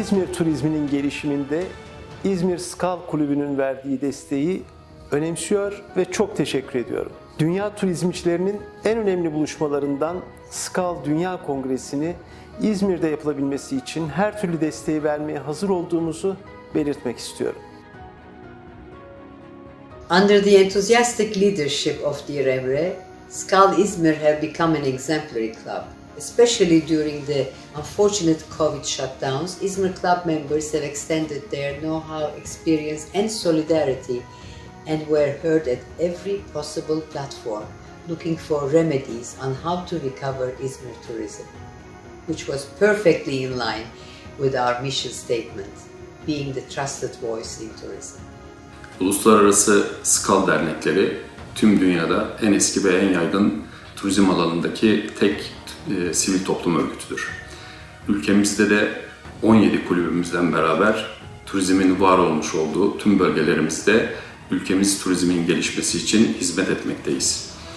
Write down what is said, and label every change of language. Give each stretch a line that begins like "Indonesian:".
Turkish: İzmir turizminin gelişiminde İzmir Sikkal Kulübü'nün verdiği desteği önemsiyor ve çok teşekkür ediyorum. Dünya turizmcilerinin en önemli buluşmalarından Sikkal Dünya Kongresi'ni İzmir'de yapılabilmesi için her türlü desteği vermeye hazır olduğumuzu belirtmek istiyorum.
English: Under the enthusiastic leadership of Dear Emre, Sikkal İzmir have become an exemplary club. Especially during the unfortunate COVID shutdowns, İzmir club members have extended their know-how, experience and solidarity and were heard at every possible platform looking for remedies on how to recover İzmir tourism, which was perfectly in line with our mission statement, being the trusted voice in tourism.
Turkish: Uluslararası Sikkal dernekleri tüm dünyada en eski ve en yaygın turizm alanındaki tek sivil toplum örgütüdür. Ülkemizde de 17 kulübümüzden beraber turizmin var olmuş olduğu tüm bölgelerimizde ülkemiz turizmin gelişmesi için hizmet etmekteyiz.